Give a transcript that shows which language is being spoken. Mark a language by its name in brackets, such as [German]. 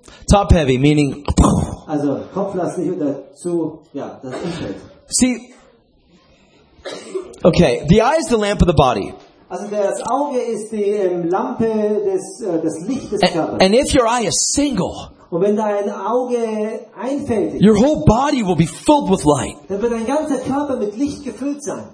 [English] Top heavy meaning see, okay, the eye is the lamp of the body. [German] Also das Auge ist die Lampe des Licht des Körpers. [English] And if your eye is single, [German] und wenn dein Auge einfällt, [English] your whole body will be filled with light. [German] Dann wird dein ganzer Körper mit Licht gefüllt sein.